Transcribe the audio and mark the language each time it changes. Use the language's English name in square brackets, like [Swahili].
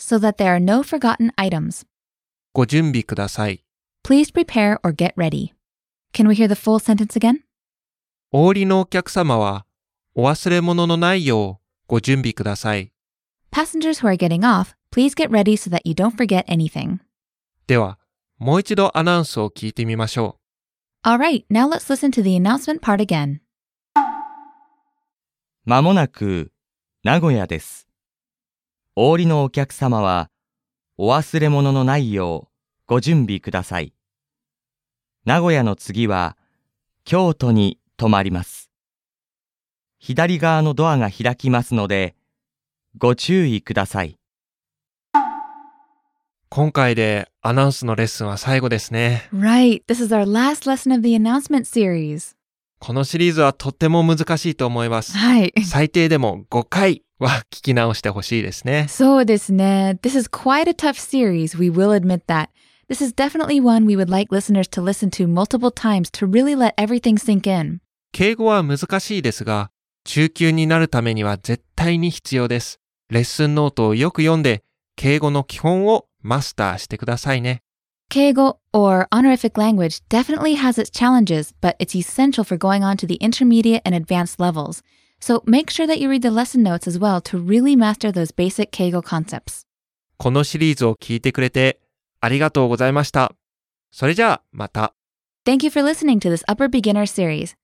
[English] So that there are no forgotten items. [Japanese] ご準備ください。 [English] Please prepare or get ready. Can we hear the full sentence again? [Japanese] お降りのお客様は、お忘れ物のないようご準備ください。 [English] Passengers who are getting off, please get ready so that you don't forget anything. [Japanese] では、もう一度アナウンスを聞いてみましょう。 [English] Alright, now let's listen to the announcement part again. [Japanese] まもなく、名古屋です。お降りのお客様は、お忘れ物のないようご準備ください。名古屋の次は、京都に泊まります。左側のドアが開きますので、ご注意ください。今回でアナウンスのレッスンは最後ですね。 [English] Right, this is our last lesson of the announcement series. [Japanese] このシリーズはとても難しいと思います。はい。最低でも5回は聞き直してほしいですね。そうですね。 [English] This is quite a tough series, we will admit that. This is definitely one we would like listeners to listen to multiple times to really let everything sink in. [Japanese] 敬語は難しいですが、中級になるためには絶対に必要です。レッスンノートをよく読んで、敬語の基本をマスターしてくださいね。 [English] 敬語 or honorific language definitely has its challenges, but it's essential for going on to the intermediate and advanced levels. So make sure that you read the lesson notes as well to really master those basic 敬語 concepts. [Japanese] このシリーズを聞いてくれてありがとうございました。それじゃあまた。 [English] Thank you for listening to this Upper Beginner series.